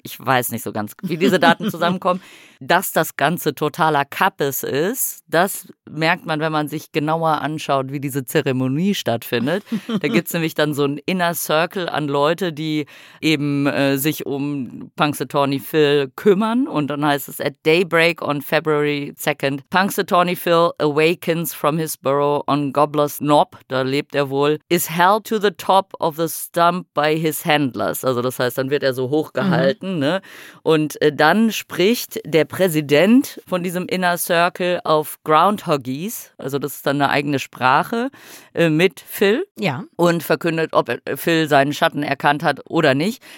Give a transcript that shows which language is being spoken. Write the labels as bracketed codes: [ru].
[de] Ich weiß nicht so ganz, wie diese Daten zusammenkommen. Dass das Ganze totaler Kappes ist, das merkt man, wenn man sich genauer anschaut, wie diese Zeremonie stattfindet. Da gibt es nämlich dann so einen Inner Circle an Leute, die eben sich um Punxsutawney Phil kümmern. Und dann heißt es, [en] at daybreak on February 2nd, Punxsutawney Phil awakens from his burrow on Gobbler's Knob, [de] da lebt er wohl, [en] is held to the top of the stump by his handlers. [de] Also das heißt, dann wird er so hochgehalten. Mhm. Ne? Und dann spricht der Präsident von diesem Inner Circle auf Groundhoggies, also das ist dann eine eigene Sprache, mit Phil und verkündet, ob Phil seinen Schatten erkannt hat oder nicht.